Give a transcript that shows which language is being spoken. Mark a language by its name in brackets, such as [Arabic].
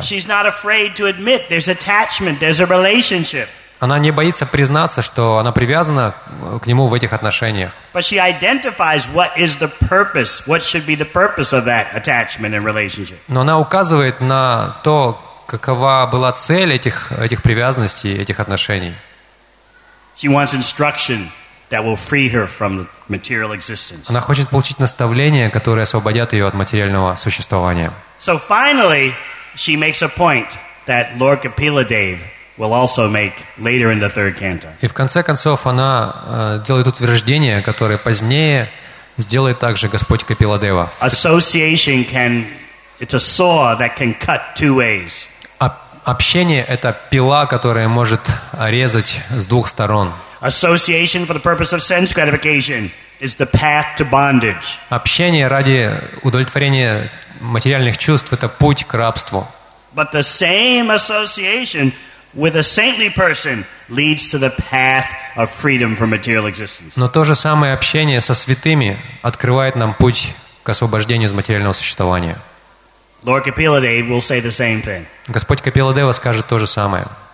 [English] She's not afraid to admit there's attachment, there's a relationship. [Russian] Она не боится признаться, что она привязана к нему в этих отношениях. [English] But she identifies what is the purpose, what should be the purpose of that attachment and relationship. [Russian] Но она указывает на то, к какова была цель этих привязанностей, этих отношений? [English] She wants instruction that will free her from material existence. [Russian] Она хочет получить наставление, которое освободит ее от материального существования. [English] So finally, she makes a point that Lord Kapiladev will also make later in the third canto. [Russian] И в конце концов она делает утверждение, которое позднее сделает также Господь Капиладева. [English] Association can it's a saw that can cut two ways. [Russian] Общение — это пила, которая может резать с двух сторон. [English] Association for the purpose of sense gratification is the path to bondage. [Russian] Общение ради удовлетворения материальных чувств — это путь к рабству. [English] But the same association with a saintly person leads to the path of freedom from material existence. [Russian] Но то же самое общение со святыми открывает нам путь к освобождению из материального существования. [English] Lord Kapiladev will say the same thing. [Russian] Господь Капиладева скажет то же самое.